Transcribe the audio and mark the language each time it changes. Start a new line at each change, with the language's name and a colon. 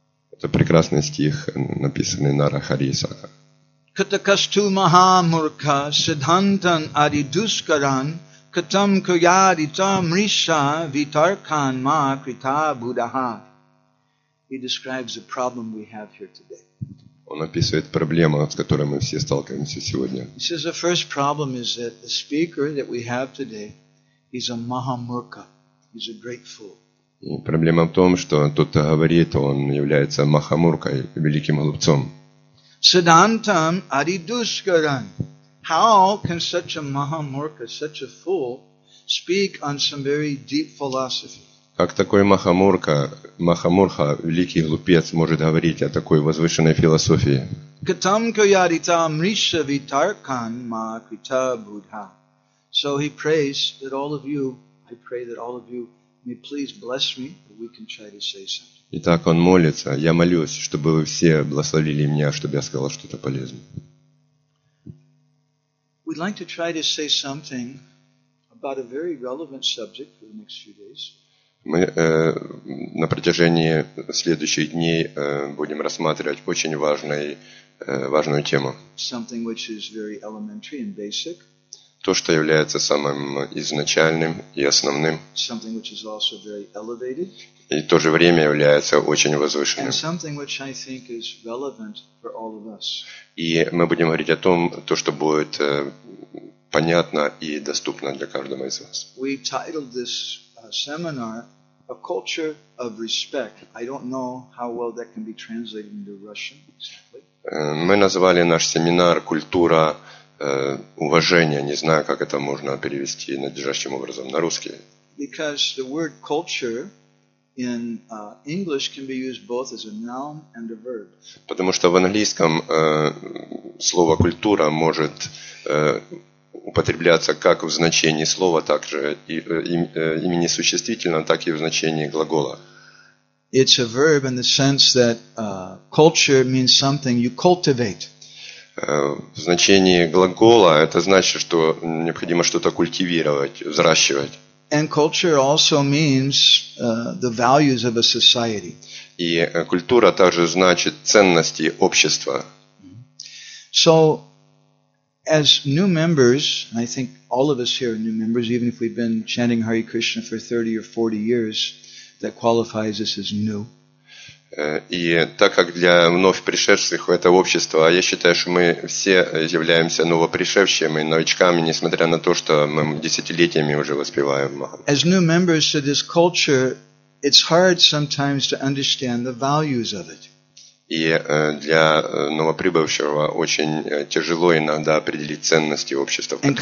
Russian: Это прекрасный стих, написанный Нарахари Сахар.
Sanskrit: Катакасту Махамурка Сиддхантан Адидускаран Катам Куяди Там Риша Витаркан Ма Крита Будаха.
English: He describes the problem we have here today.
Russian: Он описывает проблему, с которой мы все сталкиваемся сегодня.
English: He says the first problem is that the speaker that we have today is a Mahamurka. He's a great fool.
Russian: И проблема в том, что тот, кто говорит, он является махамуркой, великим глупцом.
Sanskrit: Сиддхантам адидускаран.
English: How can such a махамурка, such a fool, speak on some very deep philosophy?
Russian: Как такой махамурка, махамурха, великий глупец, может говорить о такой возвышенной философии?
Sanskrit: Катам каярита мриша витаркан ма крита будха.
English: So he prays that all of you, I pray that all of you, may please bless me, that we can try to say something.
Russian: Итак, он молится, я молюсь, чтобы вы все благословили меня, чтобы я сказал что-то полезное.
English: We'd like to try to say something about a very relevant subject for the next few days.
Russian: Мы на протяжении следующих дней будем рассматривать очень важную тему.
English: Something which is very elementary and basic.
Russian: То, что является самым изначальным и основным.
English: Something which is also very elevated.
Russian: И в то же время является очень возвышенным.
English: And something which I think is relevant for all of us.
Russian: И мы будем говорить о том, то, что будет понятно и доступно для каждого из вас.
English: We titled this seminar A Culture of Respect. I don't know how well that can be translated into Russian.
Russian: Мы назвали наш семинар «Культура уважения». Не знаю, как это можно перевести надлежащим образом на русский.
English: Because the word culture in English can be used both as a noun and a verb.
Russian: Потому что в английском слово «культура» может употребляться как в значении слова, так же имени существительного, так и в значении глагола.
English: It's a verb in the sense that culture means something you cultivate.
Russian: В значении глагола это значит, что необходимо что-то культивировать, взращивать.
English: And culture also means the values of a society.
Russian: И культура также значит ценности общества.
English: So as new members, and I think all of us here are new members, even if we've been chanting Hare Krishna for 30 or 40 years, that qualifies us as new.
Russian: И так как для вновь пришедших в это общество, я считаю, что мы все являемся новопришедшими, новичками, несмотря на то, что мы десятилетиями уже воспеваем.
English: As new members to this culture, it's hard sometimes to understand the values of it.
Russian: И для новоприбывшего очень тяжело иногда определить ценности общества, в